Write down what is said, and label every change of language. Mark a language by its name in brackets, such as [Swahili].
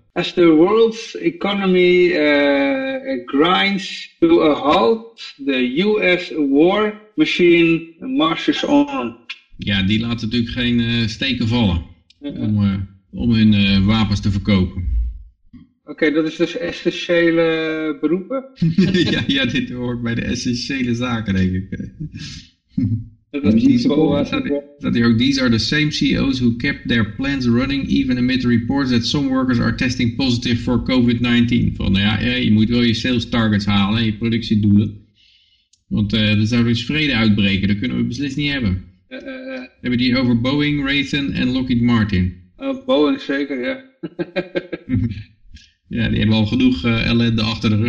[English] As the world's economy grinds to a halt, the US war machine marches on. [Dutch] Ja, die laten natuurlijk geen steken vallen om hun wapens te verkopen. Oké, dat is dus essentiële beroepen? ja, dit hoort bij de essentiële zaken, denk ik. Dat hier ook, [English] these are the same CEOs who kept their plans running even amid reports that some workers are testing positive for COVID-19. [Dutch] Van nou ja, je moet wel je sales targets halen en je productiedoelen. Want er zou dus vrede uitbreken, dat kunnen we beslist niet hebben. Hebben die over Boeing, Raytheon en Lockheed Martin? Boeing zeker, ja. Ja, die hebben al genoeg ellende achter de rug.